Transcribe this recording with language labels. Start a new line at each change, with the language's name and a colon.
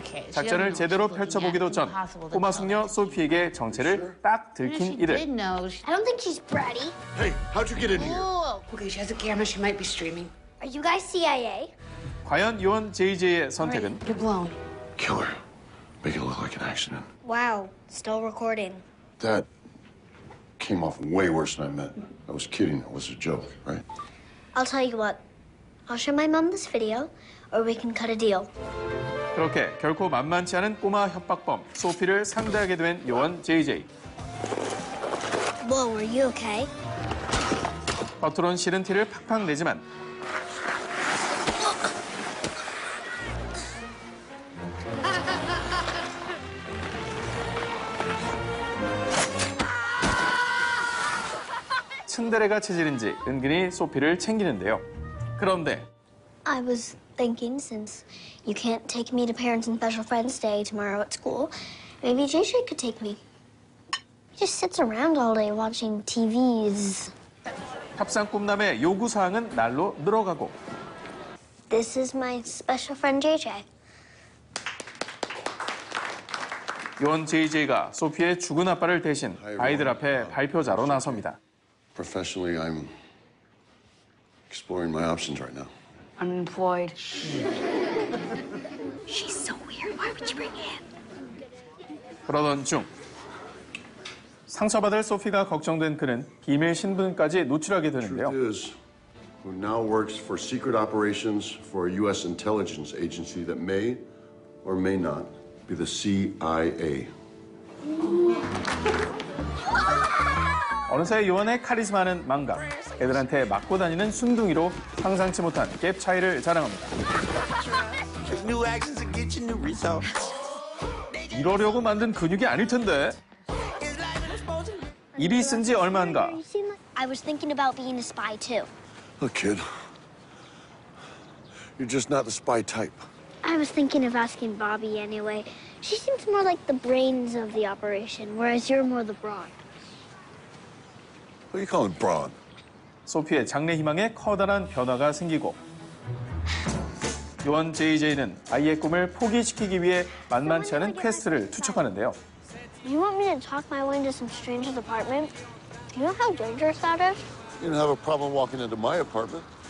Korean: 작전을 제대로 펼쳐보기도 전 꼬마 숙녀 소피에게 정체를 딱 들킨 이들.
English: I don't think she's bratty. Hey, how'd you get in here? Okay, she has a camera. She might be streaming. Are you guys CIA?
Korean: 과연 요원 JJ의 선택은?
English: Right, you're blown. Kill her. Make it look like an accident. Wow, still recording. That came off way worse than I meant. I was kidding. It was a joke, right? I'll tell you what. I'll show my mom this video, or we can cut a deal.
Korean: 그렇게 결코 만만치 않은 꼬마 협박범 소피를 상대하게 된 요원 JJ.
English: Whoa, are you okay?
Korean: 겉으론 싫은 티를 팍팍 내지만 츤데레가 체질인지 은근히 소피를 챙기는데요. 그런데
English: I was thinking since you can't take me to parents and special friends day tomorrow at school, maybe JJ could take me. He just sits around all day watching TVs.
Korean: 협상 꿈남의 요구 사항은 날로 늘어가고.
English: This is my special friend JJ.
Korean: 요원 JJ가 소피의 죽은 아빠를 대신 아이들 앞에 발표자로 나섭니다.
English: Professionally, I'm exploring my options right now. Unemployed. She's so weird. Why would you bring him?
Korean: 그러던 중 상처받을 소피가 걱정된 그는 김의 신분까지 노출하게 되는데요.
English: Truth is, who now works for secret operations for a U.S. intelligence agency that may or may not be the CIA.
Korean: 어느새 요원의 카리스마는 망각. 애들한테 맞고 다니는 순둥이로 상상치 못한 갭 차이를 자랑합니다. 이러려고 만든 근육이 아닐 텐데. 입이 쓴 지 얼마인가.
English: I was thinking about being a spy too. Look, kid. You're just not the spy type. I was thinking of asking Bobby anyway. She seems more like the brains of the operation, whereas you're more the brawn. What are you calling brawn?
Korean: 소피의 장래 희망에 커다란 변화가 생기고 요원 JJ는 아이의 꿈을 포기시키기 위해 만만치 않은 퀘스트를 투척하는데요.
English: You want me to talk my way into some stranger's apartment? Do you know how dangerous that is? You don't have a problem walking into my apartment.